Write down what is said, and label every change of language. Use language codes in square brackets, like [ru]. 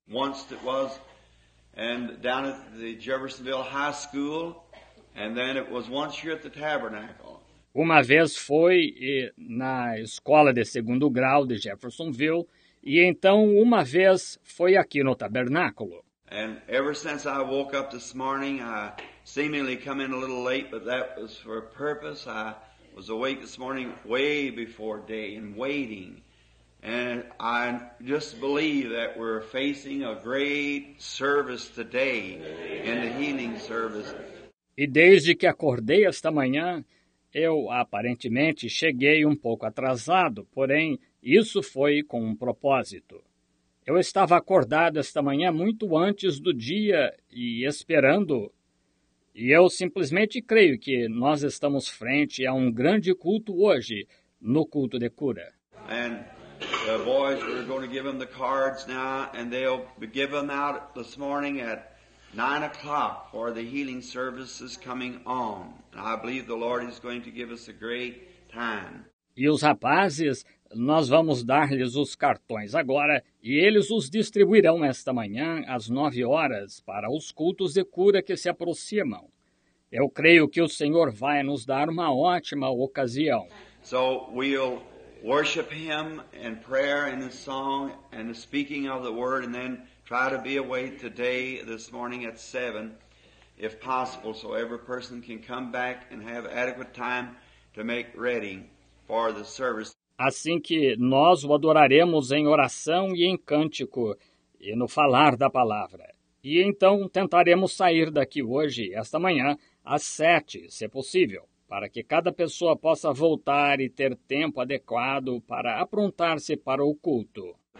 [en] Once it was, and down at the Jeffersonville High School, and then it was once here at the Tabernacle. [pt] Uma vez foi na escola de segundo grau de Jeffersonville, e então uma vez foi aqui no Tabernáculo. [en] And ever since I woke up this morning, I seemingly come in a little late, but that was for a purpose. I was awake this morning way before day and waiting. And I just believe that we're facing a great service today in the healing service. [pt] E desde que acordei esta manhã, eu aparentemente cheguei um pouco atrasado, porém isso foi com um propósito. Eu estava acordado esta manhã muito antes do dia e esperando. E eu simplesmente creio que nós estamos frente a um grande culto hoje, no culto de cura. [en] And the boys are going to give them the cards now, and they'll give them out this morning at 9 o'clock for the healing services coming on. And I believe the Lord is going to give us a great time. [pt] E os rapazes, nós vamos dar-lhes os cartões agora, e eles os distribuirão esta manhã às 9 horas para os cultos de cura que se aproximam. Eu creio que o Senhor vai nos dar uma ótima ocasião. [en] So we'll worship him in prayer and in song and the speaking of the word, and then try to be away today, this morning at 7, if possible, so every person can come back and have adequate time to make ready for the service. [pt] Assim que nós o adoraremos em oração e em cântico e no falar da palavra. E então tentaremos sair daqui hoje, esta manhã, às 7, se possível, para que cada pessoa possa voltar e ter tempo adequado para aprontar-se para o culto.